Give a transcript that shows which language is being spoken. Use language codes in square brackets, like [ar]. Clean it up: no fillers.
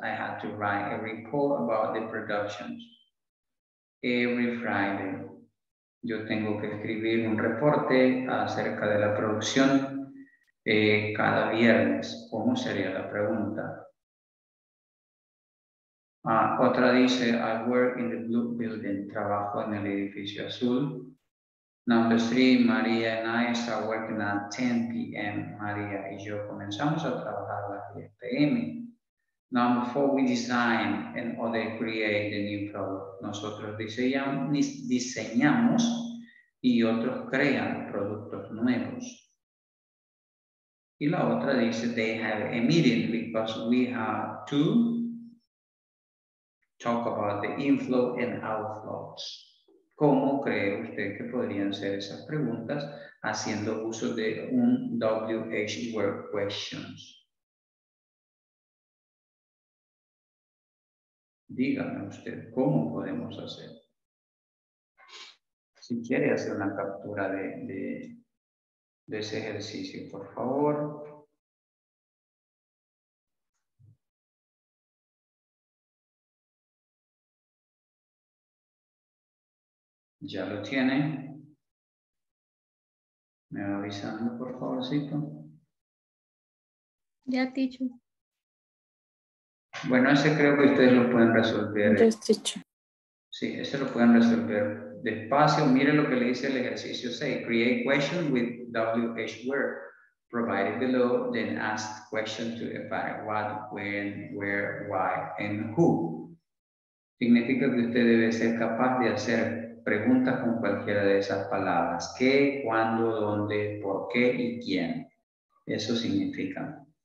[en] I have to write a report about the productions every Friday. [es] Yo tengo que escribir un reporte acerca de la producción cada viernes. ¿Cómo sería la pregunta? Otra dice, [en] I work in the blue building. [es] Trabajo en el edificio azul. [en] Number three, María and I start working at 10 p.m. [es] María y yo comenzamos a trabajar a las 10 p.m. [en] Number four, we design and other create the new product. [es] Nosotros diseñamos y otros crean productos nuevos. Y la otra dice, [en] they have a meeting because we have to talk about the inflow and outflows. [es] ¿Cómo cree usted que podrían ser esas preguntas haciendo uso de un WH word questions? Dígame usted, ¿cómo podemos hacer? Si quiere hacer una captura de ese ejercicio, por favor. Ya lo tiene. Me va avisando, por favorcito. Ya, teacher. Bueno, ese creo que ustedes lo pueden resolver. [en] Yes, teacher. [es] Sí, ese lo pueden resolver. Despacio, mire lo que le dice el ejercicio 6. [en] Create questions with WH word. Provided below, then ask questions to define what, when, where, why, and who. [es] Significa que usted debe ser capaz de hacer preguntas con cualquiera de esas palabras. ¿Qué, cuándo, dónde, por qué y quién? Eso significa.